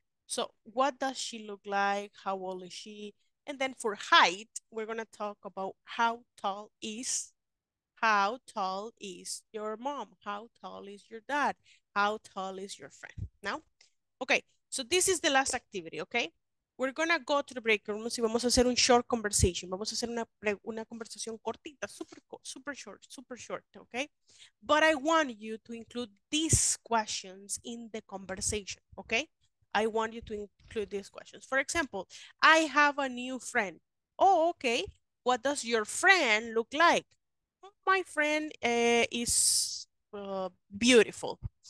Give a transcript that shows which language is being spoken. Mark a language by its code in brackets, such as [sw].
[en] So what does she look like? How old is she? And then for height, we're gonna talk about how tall is your mom? How tall is your dad? How tall is your friend? Now, okay, so this is the last activity, okay? We're going to go to the break rooms [es] y vamos a hacer un [en] short conversation. [es] Vamos a hacer una conversación cortita, super short, okay? [en] But I want you to include these questions in the conversation, okay? I want you to include these questions. For example, I have a new friend. Oh, okay. What does your friend look like? My friend is beautiful.